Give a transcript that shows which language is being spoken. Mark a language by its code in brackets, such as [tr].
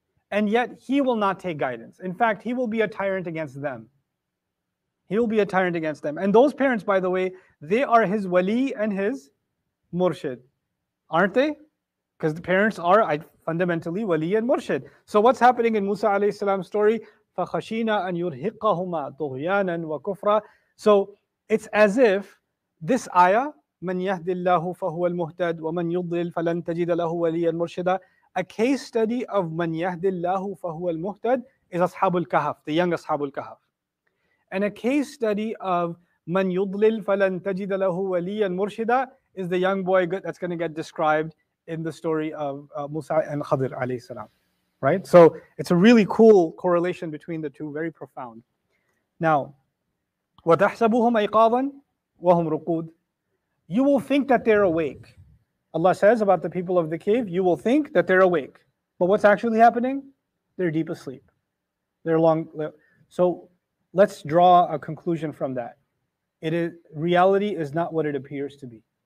[en] And yet he will not take guidance. In fact, he will be a tyrant against them. He will be a tyrant against them. And those parents, by the way, they are his wali and his murshid. Aren't they? Because the parents are fundamentally wali and murshid. So what's happening in Musa alayhi salam's story? [ar] فَخَشِينَا أَنْ يُرْهِقَهُمَا طُغْيَانًا وَكُفْرًا. [en] So it's as if this ayah, [ar] مَنْ يَهْدِ اللَّهُ فَهُوَ الْمُهْتَدِ وَمَنْ يُضْلِلْ فَلَنْ تَجِدَ لَهُ وَلِيًّا مُرْشِدًا. [en] A case study of [ar] مَنْ يَهْدِ اللَّهُ فَهُوَ الْمُهْتَدِ [en] is Ashabul Kahf, the young Ashabul Kahf. And a case study of [ar] مَنْ يُضْلِلْ فَلَنْ تَجِدَ لَهُ وَلِيًّا مُرْشِدًا [en] is the young boy that's going to get described in the story of Musa and Khadr alayhi salam. Right? So it's a really cool correlation between the two, very profound. [ar] Now, وَتَحْسَبُهُمْ أَيْقَاظًا وَهُمْ رُقُودٌ. [en] You will think that they're awake. Allah says about the people of the cave, you will think that they're awake. But what's actually happening? They're deep asleep. They're long. So let's draw a conclusion from that. Reality is not what it appears to be.